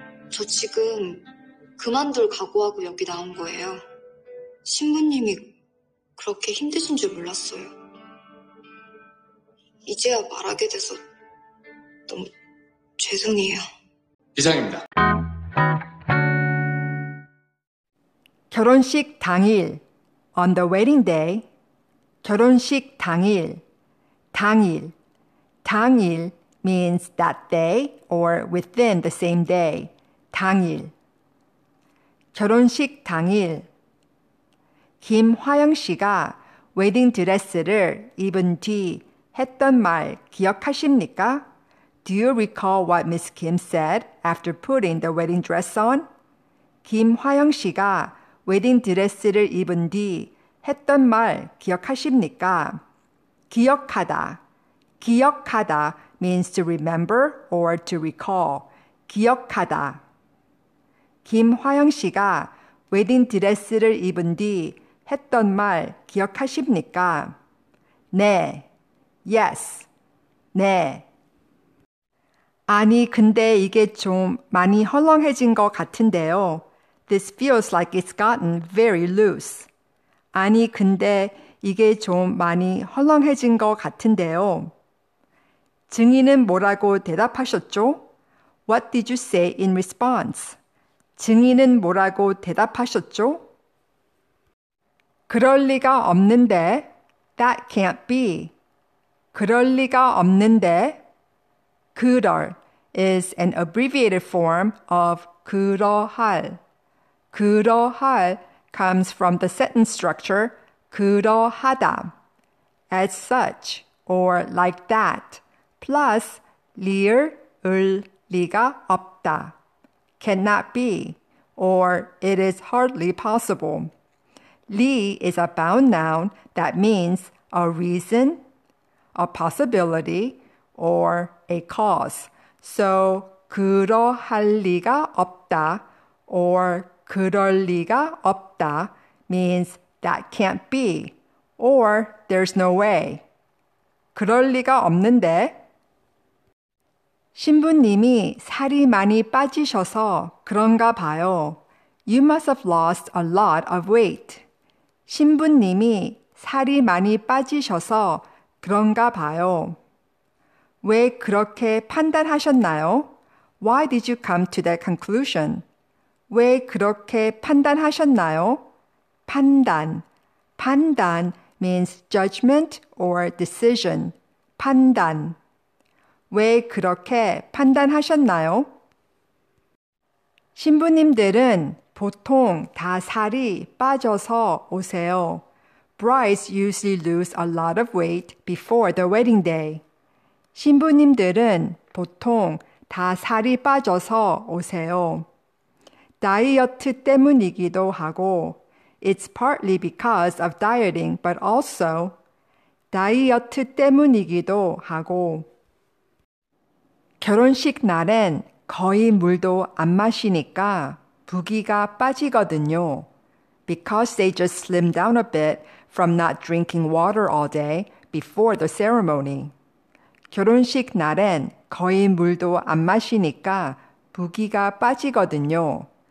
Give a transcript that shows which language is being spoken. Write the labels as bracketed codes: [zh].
[ko] 저 지금 그만둘 각오하고 여기 나온 거예요. 신부님이 그렇게 힘드신 줄 몰랐어요. 이제야 말하게 돼서 너무 죄송해요. 이상입니다. 결혼식 당일, [en] on the wedding day, 결혼식 당일, 당일, 당일 means that day or within the same day, 당일. [ko] 결혼식 당일, 김화영 씨가 웨딩 드레스를 입은 뒤 했던 말 기억하십니까? [en] Do you recall what Miss Kim said after putting the wedding dress on? [ko] 김화영 씨가 웨딩 드레스를 입은 뒤 했던 말 기억하십니까? 기억하다. [en] 기억하다 means to remember or to recall. [ko] 기억하다. 김화영 씨가 웨딩 드레스를 입은 뒤 했던 말 기억하십니까? 네. [en] Yes. [ko] 네. 아니, 근데 이게 좀 많이 헐렁해진 것 같은데요. [en] This feels like it's gotten very loose. [ko] 아니, 근데 이게 좀 많이 헐렁해진 것 같은데요. 증인은 뭐라고 대답하셨죠? [en] What did you say in response? [ko] 증인은 뭐라고 대답하셨죠? 그럴 리가 없는데. [en] That can't be. [ko] 그럴 리가 없는데. [en] 그럴 is an abbreviated form of 그러할. 그러할 comes from the sentence structure 그러하다, as such or like that, plus [ko] 리을 리가 없다, [en] cannot be, or it is hardly possible. 리 is a bound noun that means a reason, a possibility, or a cause. So [ko] 그러할 리가 없다 [en] or [ko] 그럴 리가 없다 [en] means that can't be or there's no way. [ko] 그럴 리가 없는데. 신부님이 살이 많이 빠지셔서 그런가 봐요. [en] You must have lost a lot of weight. [ko] 신부님이 살이 많이 빠지셔서 그런가 봐요. 왜 그렇게 판단하셨나요? [en] Why did you come to that conclusion? [ko] 왜 그렇게 판단하셨나요? 판단. [en] 판단 means judgment or decision. [ko] 판단. 왜 그렇게 판단하셨나요? 신부님들은 보통 다 살이 빠져서 오세요. [en] Brides usually lose a lot of weight before the wedding day. [ko] 신부님들은 보통 다 살이 빠져서 오세요. 다이어트 때문이기도 하고, [en] It's partly because of dieting, but also [ko] 다이어트 때문이기도 하고, 결혼식 날엔 거의 물도 안 마시니까 부기가 빠지거든요. [en] Because they just slim down a bit from not drinking water all day before the ceremony. [ko] 결혼식 날엔 거의 물도 안 마시니까 부기가 빠지거든요.